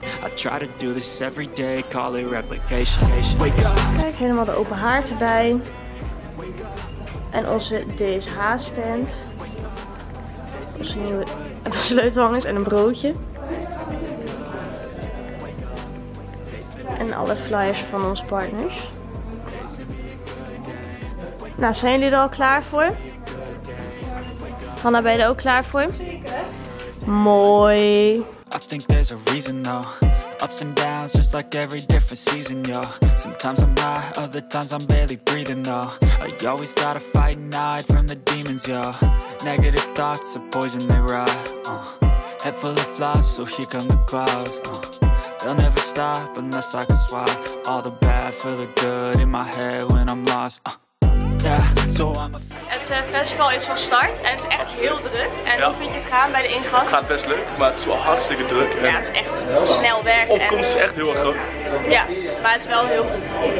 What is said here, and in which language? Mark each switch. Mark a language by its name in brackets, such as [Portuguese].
[English] I try to do this every day, call it replication. [Dutch] Kijk, helemaal de open haard erbij. En onze DSH stand. Onze nieuwe sleutelhangers en een broodje. En alle flyers van onze partners. Nou, zijn jullie er al klaar voor? Hanna, ben je er ook klaar voor? Zeker. Mooi. [English] I think there's a reason though. Ups and downs, just like every different season, yo. Sometimes I'm high, other times I'm barely breathing, though. I always gotta fight and hide from the demons, yo. Negative thoughts are poison, they rot. Head full of flaws, so here come the clouds. They'll never stop unless I can swap all the bad for the good in my head when I'm lost. Yeah, so I'm a fan. [Dutch] Het festival is van start en het is echt heel druk. En ja. Hoe vind je het gaan bij de ingang? Het gaat best leuk, maar het is wel hartstikke druk. Ja, het is echt snel werk. De opkomst is echt heel erg groot. Ja, maar het is wel heel goed.